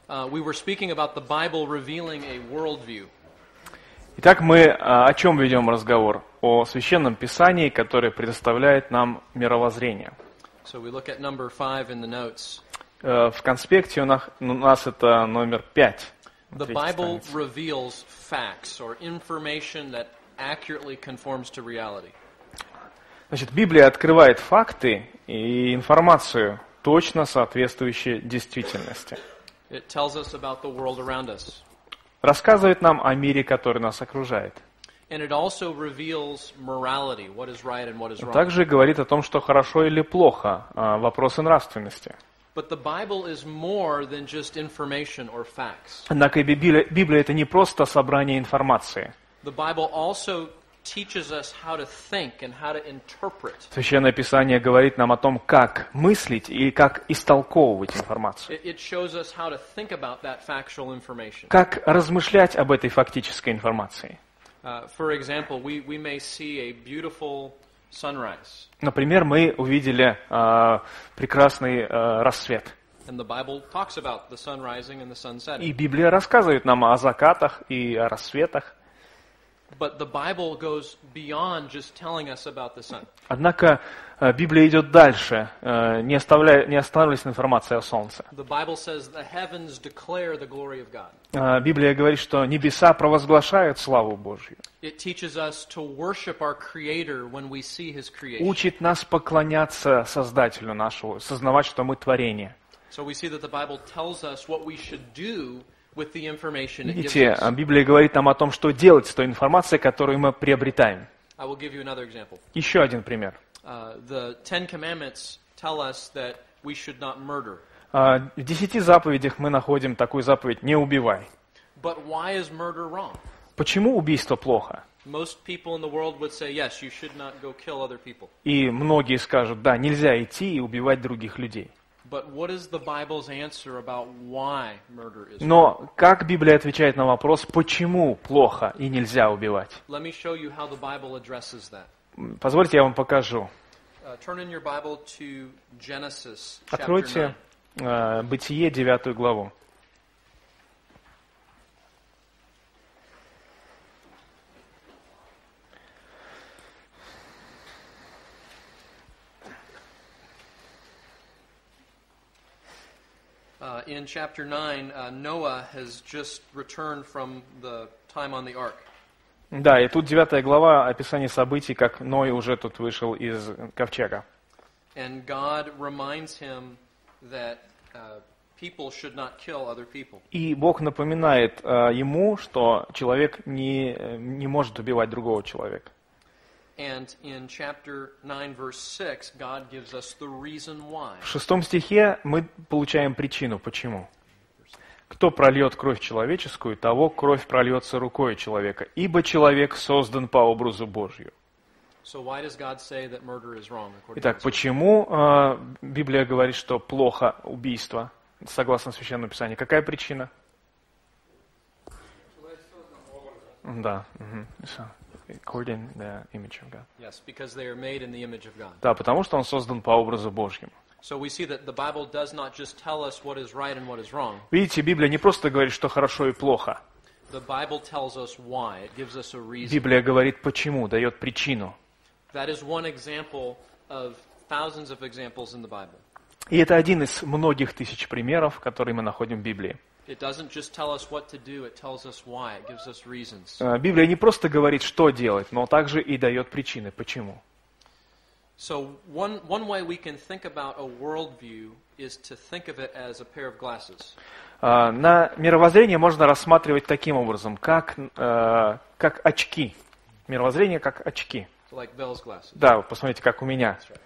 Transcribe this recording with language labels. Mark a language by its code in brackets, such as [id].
[en] we were speaking about the Bible revealing a worldview. [ru] Итак, мы о чем ведем разговор? О Священном Писании, которое предоставляет нам мировоззрение. [en] So we look at number 5 in the notes. [ru] В конспекте у нас это номер 5. [en] The Bible reveals facts or information that accurately conforms to reality. [ru] Значит, Библия открывает факты и информацию, точно соответствующую действительности. [en] It tells us about the world around us. [ru] Рассказывает нам о мире, который нас окружает. [en] And it also reveals morality, what is right and what is wrong. [ru] Также говорит о том, что хорошо или плохо, вопросы нравственности. [en] But the Bible is more than just information or facts. [ru] Однако Библия это не просто собрание информации. [en] The Bible also teaches us how to think and how to interpret. [ru] Священное Писание говорит нам о том, как мыслить и как истолковывать информацию. [en] It shows us how to think about that factual information. [ru] Как размышлять об этой фактической информации. [en] For example, we may see a beautiful sunrise. [ru] Например, мы увидели прекрасный рассвет. [en] And the Bible talks about the sun rising and the sun setting. [ru] И Библия рассказывает нам о закатах и о рассветах. [en] But the Bible goes beyond just telling us about the sun. [ru] Однако Библия идет дальше, не останавливаясь на информации о солнце. [en] The Bible says the heavens declare the glory of God. [ru] Библия говорит, что небеса провозглашают славу Божью. [en] It teaches us to worship our Creator when we see His creation. [ru] Учит нас поклоняться Создателю нашего, сознавать, что мы творение. [en] So we see that the Bible tells us what we should do. With the information it gives us. [ru] Библия говорит нам о том, что делать с той информацией, которую мы приобретаем. [en] I will give you another example. [ru] Еще один пример. [en] The Ten Commandments tell us that we should not murder. [ru] В десяти заповедях мы находим такую заповедь: «Не убивай». [en] But why is murder wrong? [ru] Почему убийство плохо? [en] Most people in the world would say, yes, you should not go kill other people. [ru] И многие скажут: «Да, нельзя идти и убивать других людей». [en] But what is the Bible's answer about why murder is wrong? [ru] Но как Библия отвечает на вопрос, почему плохо и нельзя убивать? [en] Let me show you how the Bible addresses that. [ru] Позвольте, я вам покажу. [en] Turn in your Bible to Genesis chapter 9. [ru] Откройте Бытие 9 главу. [en] In chapter 9, Noah has just returned from the time on the ark. [ru] Да, и тут 9 глава описание событий, как Ной уже тут вышел из ковчега. [en] And God reminds him that people should not kill other people. [ru] И Бог напоминает ему, что человек не может убивать другого человека. [en] And in chapter 9, verse 6, God gives us the reason why. [ru] В шестом стихе мы получаем причину, почему. Кто прольет кровь человеческую, того кровь прольется рукой человека, ибо человек создан по образу Божью. [en] So why does God say that murder is wrong? [ru] Итак, почему Библия говорит, что плохо убийство, согласно Священному Писанию? Какая причина? Да, все. [en] According to the image of God. Yes, because they are made in the image of God. [ru] Да, потому что он создан по образу Божьему. [en] So we see that the Bible does not just tell us what is right and what is wrong. [ru] Видите, Библия не просто говорит, что хорошо и плохо. [en] The Bible tells us why. It gives us a reason. [ru] Библия говорит почему, дает причину. [en] That is one example of thousands of examples in the Bible. [ru] И это один из многих тысяч примеров, которые мы находим в Библии. [en] It doesn't just tell us what to do, it tells us why, it gives us reasons. [ru] Библия не просто говорит, что делать, но также и дает причины, почему. [en] So one way we can think about a worldview is to think of it as a pair of glasses. [ru] На мировоззрение можно рассматривать таким образом, как очки. Мировоззрение как очки. [en] Like Bell's glasses. [ru] Да, посмотрите, как у меня.